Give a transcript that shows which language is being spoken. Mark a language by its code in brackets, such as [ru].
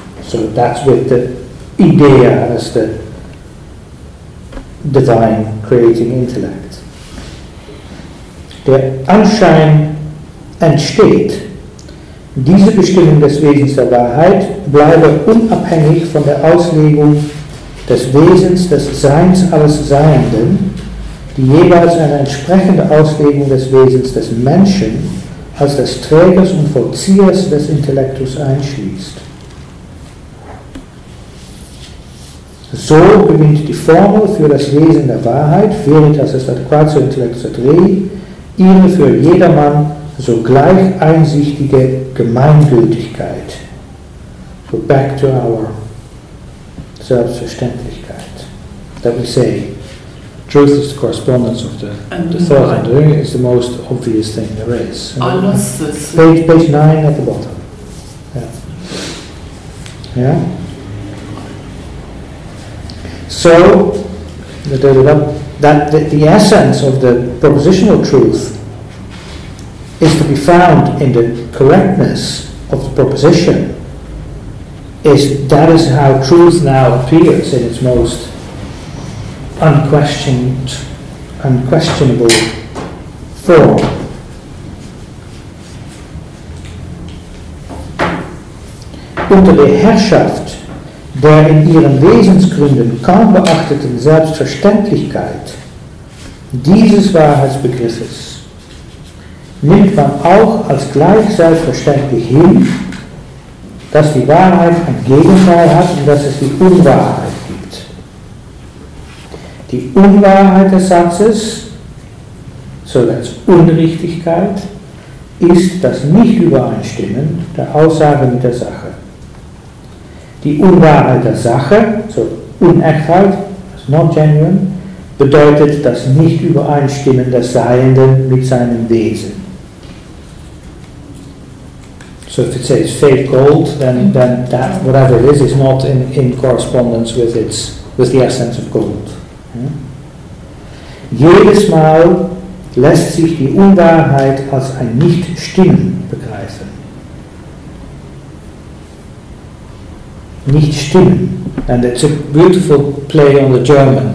[en] So that's with the idea as the divine creating intellect. [de] Der Anschein entsteht. Diese Bestimmung des Wesens der Wahrheit bleibe unabhängig von der Auslegung des Wesens des Seins alles Seienden, die jeweils eine entsprechende Auslegung des Wesens des Menschen als des Trägers und Vollziehers des Intellektus einschließt. So gewinnt die Formel für das Wesen der Wahrheit, [la] veritas est adquatio intellectus et rei, [de] ihre für jedermann sogleich einsichtige Gemeingültigkeit. [en] So back to our Selbstverständlichkeit. That we say, truth is the correspondence of the thought and doing, it's the most obvious thing there is. I lost this. Page 9 at the bottom. Yeah. Yeah? So, the essence of the propositional truth is to be found in the correctness of the proposition. That is how truth now appears in its most unquestionable form. [de] Unter der Herrschaft der in ihren Wesensgründen kaum beachteten Selbstverständlichkeit dieses Wahrheitsbegriffes nimmt man auch als gleich selbstverständlich hin, dass die Wahrheit ein Gegenteil hat und dass es die Unwahrheit gibt. Die Unwahrheit des Satzes, so als Unrichtigkeit, ist das Nicht-Übereinstimmen der Aussage mit der Sache. Die Unwahrheit der Sache, so Unechtheit, [en] not genuine, [de] bedeutet das Nicht-Übereinstimmen des Seienden mit seinem Wesen. [en] So if it says fake gold, then that whatever it is not in correspondence with the essence of gold. Yeah? [de] Jedes Mal lässt sich die Unwahrheit als ein Nicht-Stimmen begreifen. Nicht-Stimmen. [en] And it's a beautiful play on the German.